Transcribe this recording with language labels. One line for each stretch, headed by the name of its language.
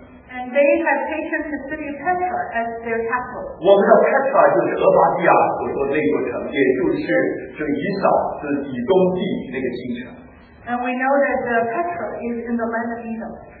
English: And they had taken the city of Petra as their capital. We know Petra is the Obadiah
Chinese: 所说的那座城，也就是以扫，就是以东地那个城。
English: And we know that the Petra is in the land of Edom.